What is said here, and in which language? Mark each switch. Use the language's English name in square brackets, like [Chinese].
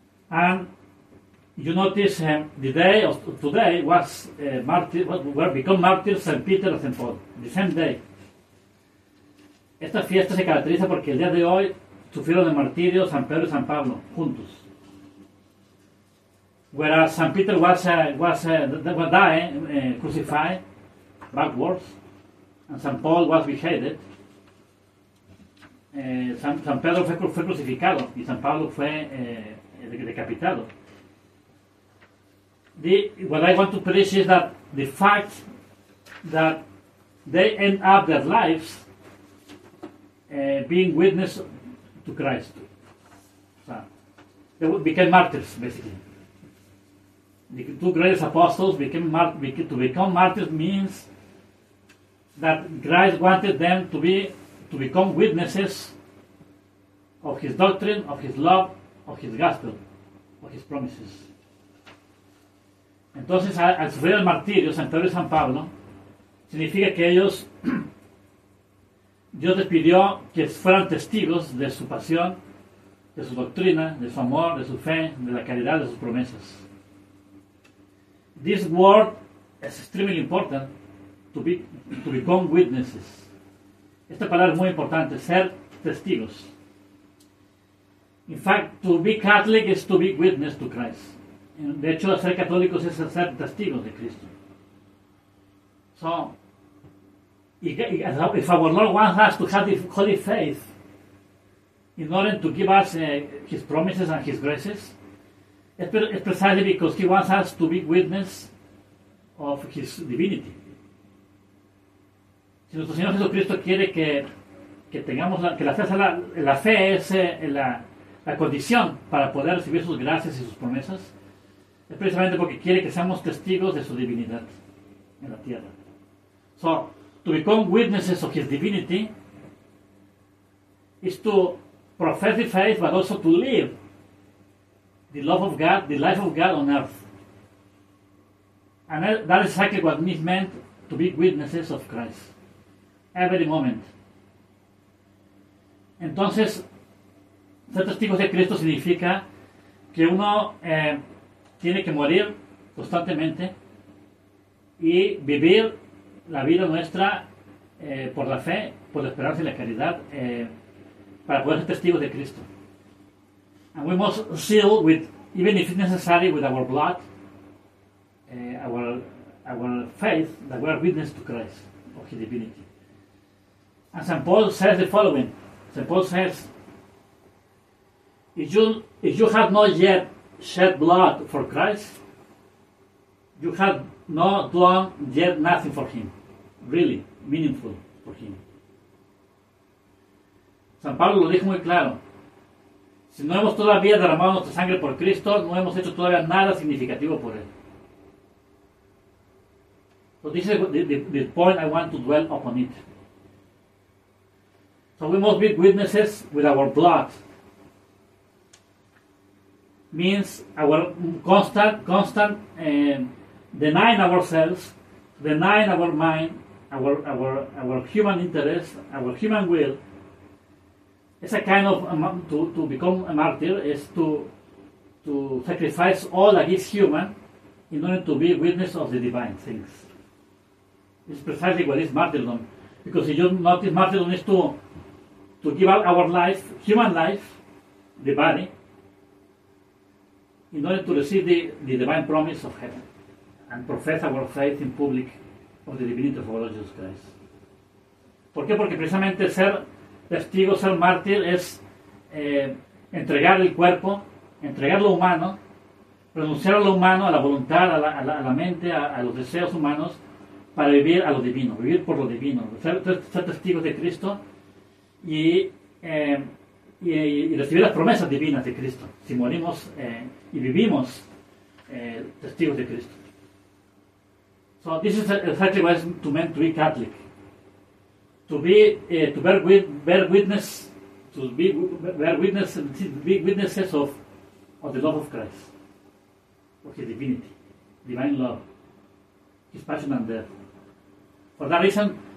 [English] And you notice the day of today was become martyrs San Peter and San Paul, the same day. [Spanish] Esta fiesta se caracteriza porque el día de hoy sufrieron el martirio San Pedro y San Pablo juntos. [English] Whereas San Peter was crucified backwards, and San Paul was beheaded. [Spanish] San Pedro fue crucificado y San Pablo fue decapitado. [English] What I want to preach is that the fact that they end up their lives being witness to Christ. So they became martyrs, basically. The two greatest apostles became martyrs means that Christ wanted them to become witnesses of his doctrine, of his love, of his gospel, of his promises. [Spanish] Entonces, al sufrir el martirio, San Pedro y San Pablo, significa que ellos, Dios les pidió que fueran testigos de su pasión, de su doctrina, de su amor, de su fe, de la caridad, de sus promesas. [English] This word is extremely important to become witnesses. [Spanish] Esta palabra es muy importante, ser testigos. [English] In fact, to be Catholic is to be witness to Christ. [Spanish] De hecho, ser católicos es ser testigos de Cristo. [English] So, if our Lord wants us to have the holy faith in order to give us his promises and his graces, it's precisely because he wants us to be witness of his divinity. [Spanish] Si nuestro Señor Jesucristo quiere que la fe es la condición para poder recibir sus gracias y sus promesas, es precisamente porque quiere que seamos testigos de su divinidad en la tierra. [English] So, to become witnesses of his divinity is to profess the faith, but also to live the love of God, the life of God on earth. And that is exactly what it meant to be witnesses of Christ. Every moment. [Spanish] Entonces, ser testigos de Cristo significa que uno tiene que morir constantemente y vivir la vida nuestra por la fe, por la esperanza y la caridad, para poder ser testigos de Cristo. [English] And we must seal with, even if necessary, with our blood, our faith that we are witness to Christ of his divinity. And St. Paul says the following. St. Paul says, if you have not yet shed blood for Christ, you have not done yet nothing for him, really, meaningful for him. [Spanish] San Pablo lo dijo muy claro. Si no hemos todavía derramado nuestra sangre por Cristo, no hemos hecho todavía nada significativo por él. [English] So this is the point I want to dwell upon it. So we must be witnesses with our blood. Means our constant denying ourselves, denying our mind, our human interest, our human will. It's a kind of to become a martyr is to sacrifice all that is human in order to be witness of the divine things. It's precisely what is martyrdom. Because if you notice, martyrdom is to give up our life, human life, the body, in order to receive the divine promise of heaven and profess our faith in public of the divinity of our Lord Jesus Christ. [Spanish] ¿Por qué? Porque precisamente ser testigo, ser mártir, es entregar el cuerpo, entregar lo humano, renunciar a lo humano, a la voluntad, a la mente, a los deseos humanos, para vivir a lo divino, vivir por lo divino, ser testigo de Cristo y recibir las promesas divinas de Cristo, si morimos y vivimos testigos de Cristo. [English] So this is exactly what is to meant to be Catholic. To be witnesses of the love of Christ, of his divinity, divine love, his passion and death. For that reason,